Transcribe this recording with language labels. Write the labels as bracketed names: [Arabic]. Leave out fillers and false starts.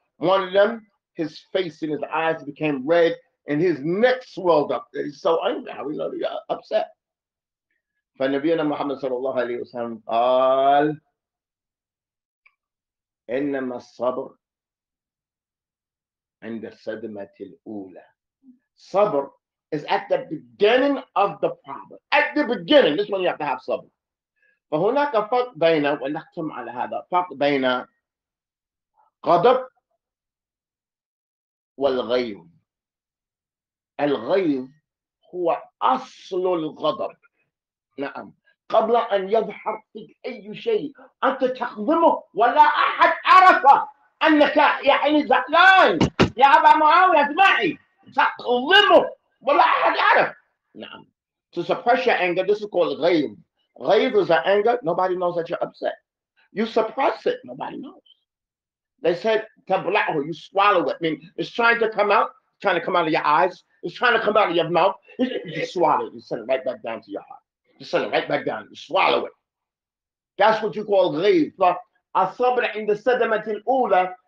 [English] One of them his face and his eyes became red and his neck swelled up. He's so angry. How we know he got upset. [Arabic] فنبينا محمد صلى الله عليه وسلم قال إنما الصبر عند الصدمة الأولى. [English] صبر is at the beginning of the problem. At the beginning, this one you have to have صبر. [Arabic] فهناك فرق بين ونختم على هذا فرق بين غضب والغيظ. الغيظ هو أصل الغضب. نعم قبل أن يظهر فيك أي شيء، أنت تخدمه ولا أحد عرف أنك يعني زعلان. يا أبا معاوية اسمعي، تخدمه ولا أحد عرف. نعم. [English] To suppress your anger, this is called غيظ. غيظ is an anger. Nobody knows that you're upset. You suppress it. Nobody knows. They said تبلعه. You swallow it. I mean, it's trying to come out. Trying to come out of your eyes. It's trying to come out of your mouth. You swallow it. You send it right back down to your heart. You send it right back down. You swallow it. That's what you call غيظ. [Arabic] الصبر عند الصدمة الأولى.